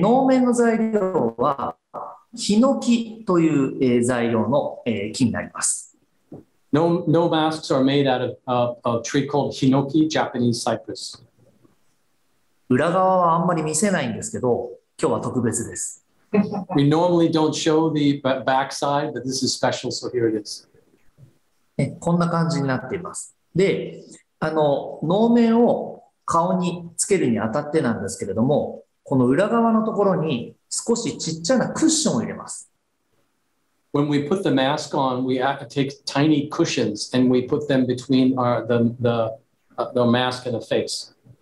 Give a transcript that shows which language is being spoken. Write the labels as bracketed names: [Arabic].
[Japanese] 能面の材料はヒノキという材料の木になります。 [English] No masks are made out of tree called hinoki, Japanese cypress. [Japanese] 裏側はあんまり見せないんですけど、今日は特別です。 [English] We normally don't show the backside, but this is special, so here it is. [Japanese] こんな感じになっています。で、能面を顔につけるにあたってなんですけれども、 この裏側のところに少しちっちゃなクッションを入れます。 [English] When we put the mask on, we have to take tiny cushions and we put them between the mask and the face.